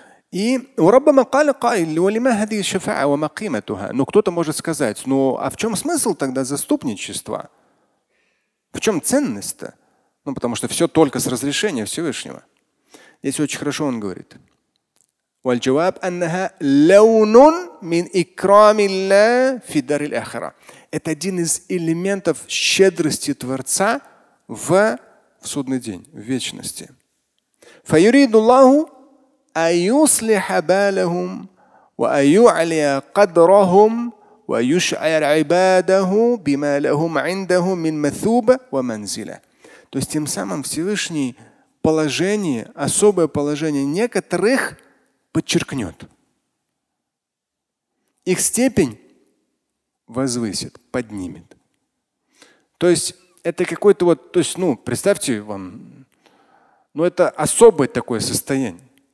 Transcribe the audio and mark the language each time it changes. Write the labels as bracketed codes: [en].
[ru] И [ar] ربما قال قائل: ولما هذه الشفاعة وما قيمتها؟ [ru] Но кто-то может сказать: ну а в чем смысл тогда заступничества? В чем ценность-то? Ну потому что все только с разрешения Всевышнего. Здесь очень хорошо он говорит. [ar] والجواب أنها لون من إكرام الله في دار الآخرة. [ru] Это один из элементов щедрости Творца в судный день, в вечности. [ar] فيريد الله أيصلح بالهم وأيعلي قدرهم ويشعر عباده بما لهم عندهم من مثوبة ومنزلة. [ru] То есть тем самым Всевышний положение, особое положение некоторых подчеркнет. Их степень возвысит, поднимет. То есть это какой-то вот, то есть, ну, представьте вам, ну, это особое такое состояние.